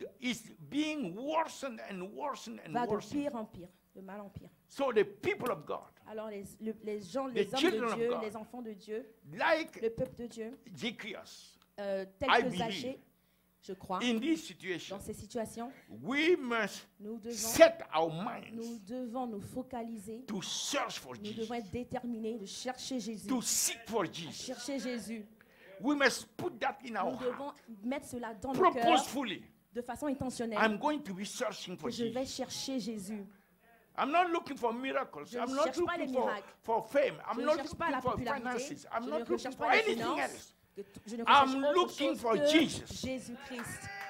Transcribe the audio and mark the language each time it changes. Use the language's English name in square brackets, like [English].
[English] Is being worsened and worsened and worsened. [French] Va de pire en pire, de mal en pire. [English] So the people of God. [French] Alors les gens, les hommes de Dieu, les enfants de Dieu, [English] like [French] le peuple de Dieu, [English] Zacchaeus, [French] tel que Zachée, je crois, [English] in this situation, [French] dans ces situations, [English] we must [French] nous devons [English] set our minds [French] nous devons nous focaliser, [English] to search for [French] nous [English] Jesus, [French] devons être déterminés de chercher Jésus, [English] to seek for Jesus, [French] chercher Jésus. [English] We must put that in [French] nous [English] our [French] devons [English] heart, [French] mettre cela dans [English] purposefully, [French] nos cœurs, de façon intentionnelle, [English] I'm going to be searching for [French] je [English] Jesus. [French] Vais chercher Jésus. [English] I'm not looking for miracles. [French] Je [English] I'm not looking for fame. I'm [French] je [English] not looking for finances. I'm not looking for anything [French] finances. [English] Else. I'm looking for Jesus. [French] Jésus Christ.